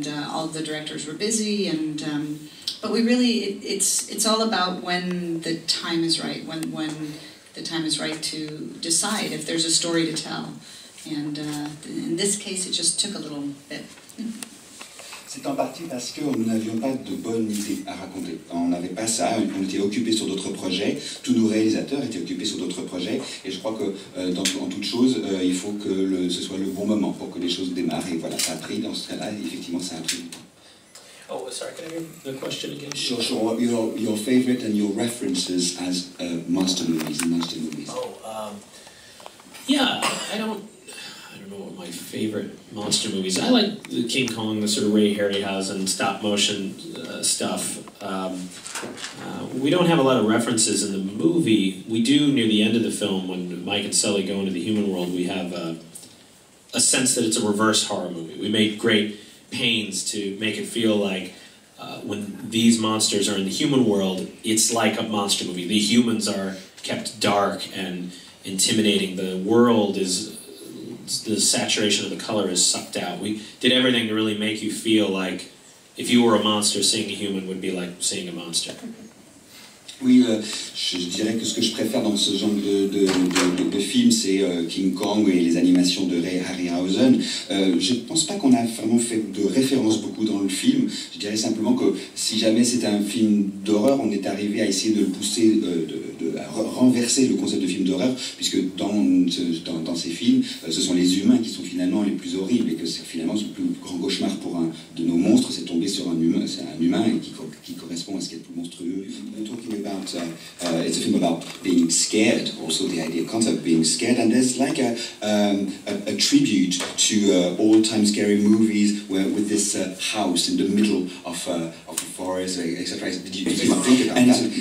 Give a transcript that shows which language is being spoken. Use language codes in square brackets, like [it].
[en] All the directors were busy, and but we really, it's all about when the time is right, when the time is right to decide if there's a story to tell. And in this case, it just took a little bit. [fr] C'est en partie parce que nous n'avions pas de bonnes idées à raconter. On n'avait pas ça, on était occupés sur d'autres projets, tous nos réalisateurs étaient occupés sur d'autres projets, et je crois que, en toute chose, il faut que ce soit le bon moment pour que les choses démarrent. Et voilà, ça a pris dans ce cas-là, effectivement, ça a pris. [en] Oh, sorry, can I hear the question again? Sure. Your favorite and your references as monster movies and monster movies. Oh, I don't know what my favorite monster movies. I like the King Kong, the sort of Ray Harryhausen stop motion stuff. We don't have a lot of references in the movie. We do near the end of the film when Mike and Sully go into the human world. We have a sense that it's a reverse horror movie. We make great pains to make it feel like when these monsters are in the human world, it's like a monster movie. The humans are kept dark and intimidating. The world is, the saturation of the color is sucked out. We did everything to really make you feel like if you were a monster, seeing a human would be like seeing a monster. [fr] Oui, je dirais que ce que je préfère dans ce genre de film, c'est King Kong et les animations de Ray Harryhausen. Je ne pense pas qu'on a vraiment fait de références beaucoup dans le film. Je dirais simplement que si jamais c'était un film d'horreur, on est arrivé à essayer de le pousser, renverser le concept de film d'horreur, puisque dans ces films, ce sont les humains qui sont finalement les plus horribles, et que c'est finalement le plus grand cauchemar pour un de nos monstres, c'est tomber sur un humain et qui correspond à ce qu'il y a de plus monstrueux. [en] It's a film about being scared, also the idea of concept of being scared, and there's like a tribute to all-time scary movies where, with this house in the middle of a forest, etc. Did you think about that?